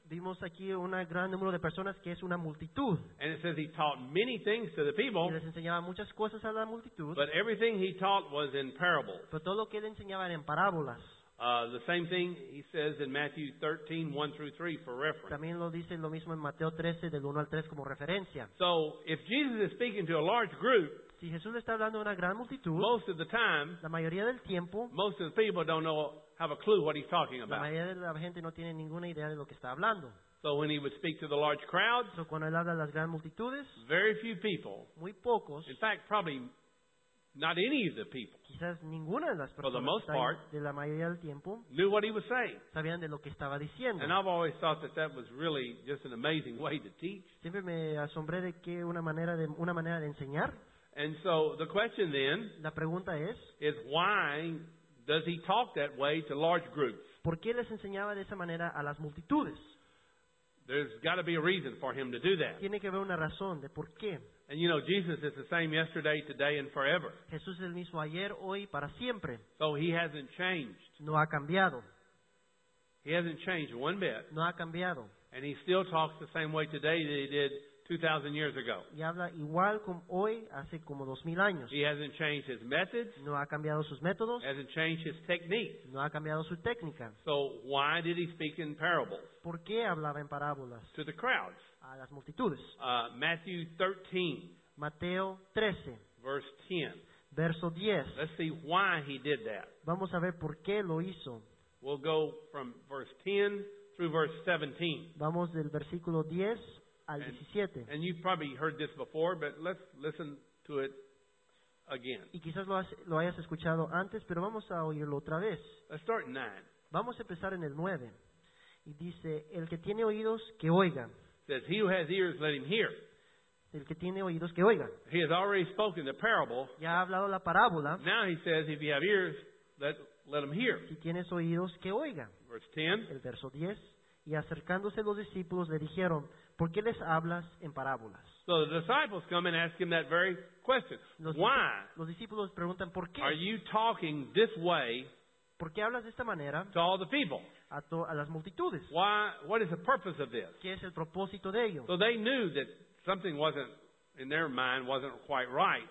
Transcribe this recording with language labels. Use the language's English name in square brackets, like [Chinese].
[Spanish] Vimos aquí un gran número de personas que es una multitud. [English] And it says he taught many things to the people. [Spanish] Y les enseñaba muchas cosas a la multitud. [English] But everything he taught was in parables. [Spanish] Pero todo lo que él enseñaba era en parábolas. [English] The same thing he says in Matthew 13, 1 through 3, for reference. [Spanish] También lo dice lo mismo en Mateo 13, del 1 al 3, como referencia. [English] So if Jesus is speaking to a large group, [Spanish] si Jesús está hablando a una gran multitud, [English] most of the time, [Spanish] la mayoría del tiempo, [English] most of the people don't know, have a clue what he's talking about. [Spanish] La mayoría de la gente no tiene ninguna idea de lo que está hablando. [English] So when he would speak to the large crowds, [Spanish] so cuando él habla a las gran multitudes, [English] very few people, [Spanish] muy pocos, [English] in fact, probably not any of the people, [Spanish] quizás ninguna de las personas, [English] for the most part, [Spanish] de la mayoría del tiempo, [English] knew what he was saying. [Spanish] Sabían de lo que estaba diciendo. [English] And I've always thought that that was really just an amazing way to teach. [Spanish] Siempre me asombré de que una manera de enseñar. [English] And so the question then, [Spanish] la pregunta es, [English] is why does he talk that way to large groups? [Spanish] ¿Por qué les enseñaba de esa manera a las multitudes? [English] There's got to be a reason for him to do that. [Spanish] Tiene que haber una razón de por qué. [English] And you know, Jesus is the same yesterday, today, and forever. [Spanish] Jesús es el mismo ayer, hoy, para siempre. [English] So he hasn't changed. [Spanish] No ha cambiado. [English] He hasn't changed one bit. [Spanish] No ha cambiado. [English] And he still talks the same way today that he did 2,000 years ago. [Spanish] Y habla igual como hoy, hace como 2,000 años. [English] He hasn't changed his methods. [Spanish] No ha cambiado sus métodos. [English] Hasn't changed his techniques. [Spanish] No ha cambiado su técnica. [English] So why did he speak in parables? [Spanish] ¿Por qué hablaba en parábolas? [English] To the crowds. [Spanish] A las multitudes. [English] Matthew 13. [Spanish] Mateo 13. [English] Verse 10. [Spanish] Verso 10. [English] Let's see why he did that. [Spanish] Vamos a ver por qué lo hizo. [English] We'll go from verse 10 through verse 17. [Spanish] Vamos del versículo 10 al 17. [English] And you've probably heard this before, but let's listen to it again. [Spanish] Y quizás lo hayas escuchado antes, pero vamos a oírlo otra vez. [English] Let's start in 9. [Spanish] Vamos a empezar en el 9. Y dice, el que tiene oídos, que oiga. [English] Says, he who has ears, let him hear. [Spanish] El que tiene oídos, que oiga. [English] He has already spoken the parable. [Spanish] Ya ha hablado la parábola. [English] Now he says, if you have ears, let him hear. [Spanish] Si tienes oídos, que oiga. [English] Verse 10. [Spanish] El verso 10. Y acercándose los discípulos, le dijeron, ¿por qué les hablas en parábolas? [English] So the disciples come and ask him that very question. Why? [Spanish] Los discípulos preguntan, ¿por qué? [English] Are you talking this way? [Spanish] ¿Por qué hablas de esta manera? [English] To all the people. [Spanish] A las multitudes. [English] Why, what is the purpose of this? [Spanish] ¿Qué es el propósito de ellos? [English] So they knew that something wasn't, in their mind, wasn't quite right.